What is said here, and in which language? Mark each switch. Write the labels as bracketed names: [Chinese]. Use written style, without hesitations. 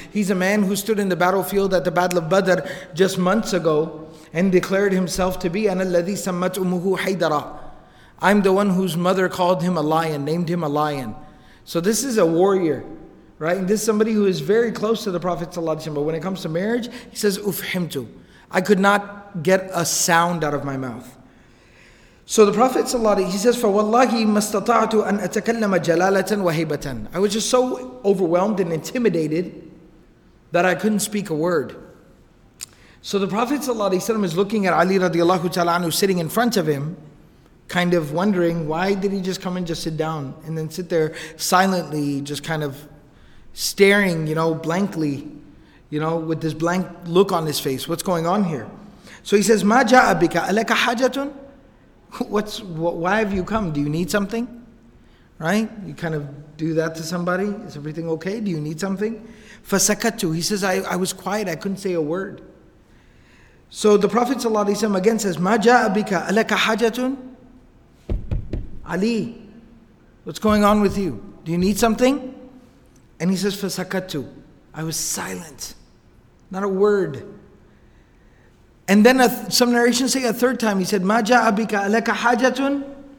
[English] He's a man who stood in the battlefield at the Battle of Badr just months ago and declared himself to be [Arabic] أَنَا الَّذِي سَمَّتْ أُمُّهُ حَيْدَرًا. [English] I'm the one whose mother called him a lion, named him a lion. So this is a warrior, right? And this is somebody who is very close to the Prophet ﷺ. But when it comes to marriage, he says, أُفْحِمْتُ. I could not get a sound out of my mouth. So the Prophet ﷺ, he says, [Arabic] فَوَاللَّهِ مَسْتَطَعْتُ أَنْ أَتَكَلَّمَ جَلَالَةً وَهِبَةً. [English] I was just so overwhelmed and intimidated that I couldn't speak a word. So the Prophet ﷺ is looking at Ali radiallahu ta'ala anhu sitting in front of him, kind of wondering, why did he just come and just sit down and then sit there silently, just kind of staring, you know, blankly, you know, with this blank look on his face. What's going on here? So he says, [Arabic] مَا جَاءَ بِكَ أَلَكَ حَاجَةٌ. [English] Why have you come? Do you need something? Right? You kind of do that to somebody. Is everything okay? Do you need something? فَسَكَتُ. He says, I was quiet. I couldn't say a word. So the Prophet ﷺ again says, [Arabic] مَا جَاءَ بِكَ أَلَكَ حَاجَةٌ. [English] Ali, what's going on with you? Do you need something? And he says, فَسَكَتُ. I was silent. Not a word. And then some narrations say a third time, he said, [Arabic] مَا جَاءَ بِكَ أَلَكَ حَاجَةٌ.